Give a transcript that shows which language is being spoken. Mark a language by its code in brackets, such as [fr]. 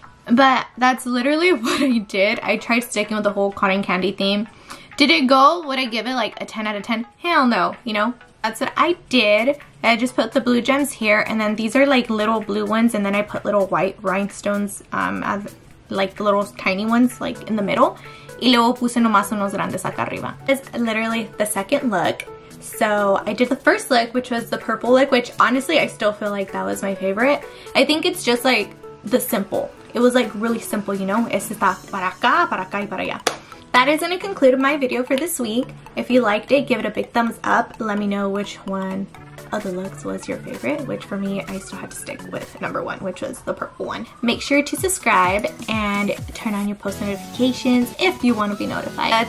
[en] But that's literally what I did. I tried sticking with the whole cotton candy theme. Did it go? Would I give it like a 10 out of 10? Hell no, you know? That's what I did. I just put the blue gems here and then these are like little blue ones and then I put little white rhinestones as like little tiny ones like in the middle. [es] Y luego puse nomás unos grandes acá arriba. [en] It's literally the second look. So I did the first look, which was the purple look, which honestly, I still feel like that was my favorite. I think it's just like the simple. It was like really simple, you know? [es] Es esta para acá y para allá. [en] That is gonna conclude my video for this week. If you liked it, give it a big thumbs up. Let me know which one of the looks was your favorite, which for me, I still had to stick with number one, which was the purple one. Make sure to subscribe and turn on your post notifications if you wanna be notified.